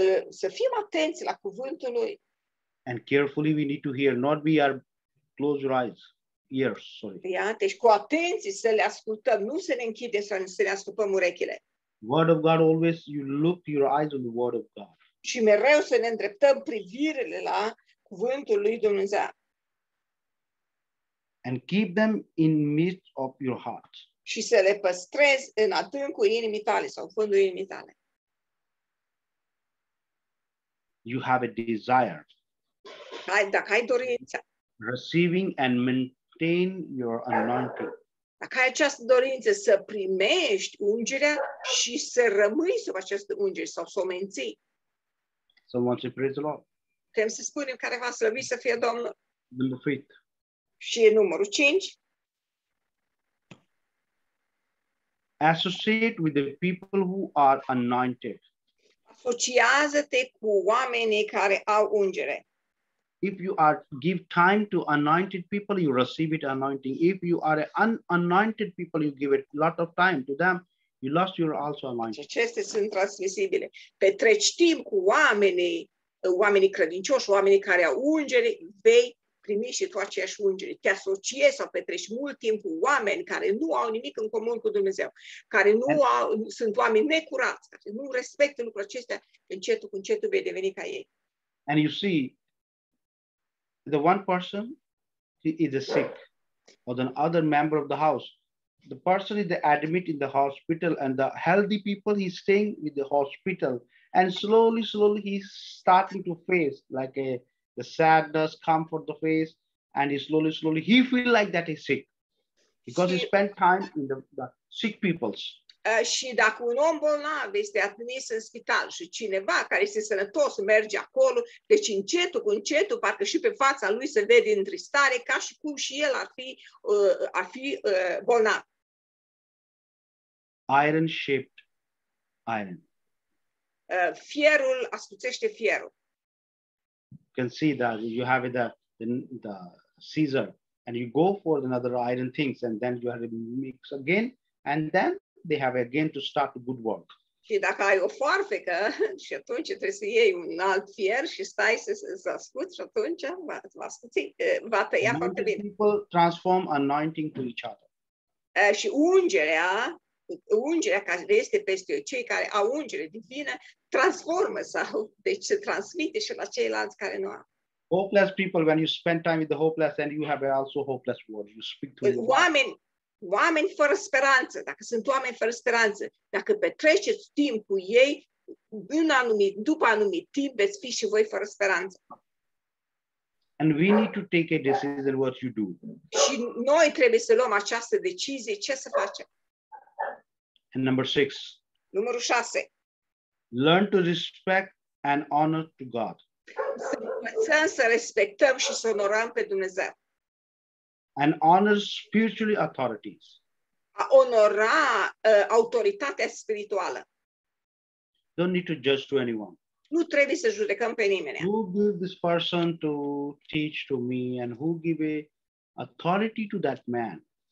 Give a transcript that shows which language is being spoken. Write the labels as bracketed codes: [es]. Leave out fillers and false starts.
[ro] Să fim atenți la cuvântul lui. [en] And carefully we need to hear, not be our close your eyes, ears, sorry. [ro] Ia, deci cu atenție să le ascultăm, nu să ne închidem, să ne ascultăm urechile. [en] Word of God, always you look your eyes on the word of God. [ro] Și mereu să ne îndreptăm privirile la cuvântul lui Dumnezeu. [en] And keep them in midst of your heart. [ro] Și să le păstrezi în adâncul inimii tale sau fundul inimii tale. [en] You have a desire. [ro] Dacă ai dorință. [en] Receiving and maintain your anointing. [ro] Dacă ai această dorință să primești ungerea și să rămâi sub această ungere sau să o menții. [en] Someone say praise the Lord. [ro] Trebuie să spunem care va slăvi să fie Domnul. [en] Number 5. [ro] Și e numărul 5. [en] Associate with the people who are anointed. [ro] Asociază-te cu oamenii care au ungere. [en] If you are give time to anointed people, you receive it anointing. If you are unanointed people, you give it a lot of time to them, you lost your also anointing. [ro] Acestea sunt transmisibile. Petreci timp cu oamenii credincioși, oamenii care au ungere, vei primi și tu aceeași ungere. Te asociezi sau petreci mult timp cu oameni care nu au nimic în comun cu Dumnezeu, care nu sunt oameni necurați, care nu respectă lucrurile acestea, încetul cu încetul vei deveni ca ei. [en] And you see, the one person is a sick or the other member of the house, the person is admit in the hospital and the healthy people he's staying with the hospital and slowly he's starting to face like the sadness come for the face and slowly he feel like that he's sick because he spent time in the sick people's. [ro] Și dacă un om bolnav este admis în spital și cineva care este sănătos merge acolo, deci încetul, parcă și pe fața lui se vede întristare, ca și cum și el ar fi bolnav. [en] Iron-shaped iron. [ro] Fierul ascuțește fierul. [en] You can see that you have the scissor and you go for another iron things and then you have a mix again and then they have again to start a good work. [ro] Și dacă ai o foarfecă și atunci trebuie să iei un alt fier și stai să ascuți și atunci va tăia foarte bine. [en] People transform anointing to each other. [ro] Și ungerea care este peste cei care au ungere divină transformă sau deci se transmite și la ceilalți care nu au. [en] Hopeless people, when you spend time with the hopeless and you have also hopeless words, you speak to them. [ro] Oameni fără speranță, dacă sunt oameni fără speranță, dacă petreceți timp cu ei, după anumit timp, veți fi și voi fără speranță. [en] And we need to take a decision what you do. [ro] Și noi trebuie să luăm această decizie, ce să facem. [en] And number 6. [ro] Numărul 6. [en] Learn to respect and honor to God. [ro] Să învățăm să respectăm și să onorăm pe Dumnezeu. [en] And honor spiritually authorities. [ro] Onora autoritatea spirituală. [en] Don't need to judge to anyone. [ro] Nu trebuie să judecăm pe nimeni. [en] Who give this person to teach to me and who give authority to that man?